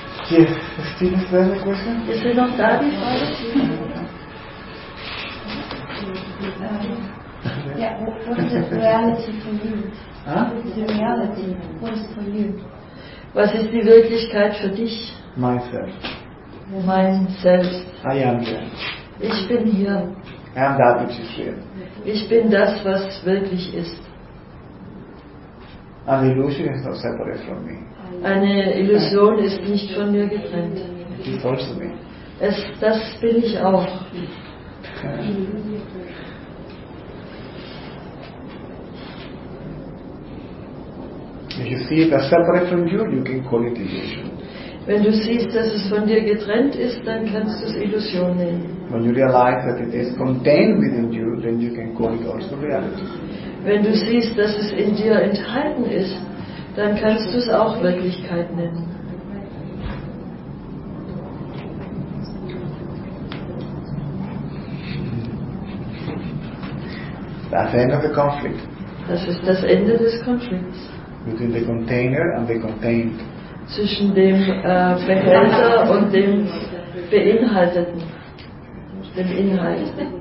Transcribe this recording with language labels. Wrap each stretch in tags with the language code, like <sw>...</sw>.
<en>Yeah, Steve, is there any question?</en> <de>Ist er noch da, die Frage?</de> <en>Ja, what is the reality for you?</en> <de>Was ist die Wirklichkeit für dich?</de> <en>Myself.</en> <de>Mein Selbst.</de> <en>I am there.</en> <de>Ich bin hier.</de> <en>I am that which is here.</en> <de>Ich bin das, was wirklich ist.</de> <en>An illusion is not separate from me.</en> <de>Eine Illusion ist nicht von mir getrennt.</de> <en>It's also me.</en> <de>Das bin ich auch.</de> <en>Okay. If you see it as separate from you, you can call it illusion.</en> <de>Wenn du siehst, dass es von dir getrennt ist, dann kannst du es Illusion nennen.</de> <en>When you realize that it is contained within you, then you can call it also reality.</en> <de>Wenn du siehst, dass es in dir enthalten ist, dann kannst du es auch Wirklichkeit nennen.</de> <en>That's the end of the conflict.</en> <de>Das ist das Ende des Konflikts.</de> <en>Between the container and the contained.</en> <de>Zwischen dem Behälter und dem Beinhalteten. Dem Inhalt.</de>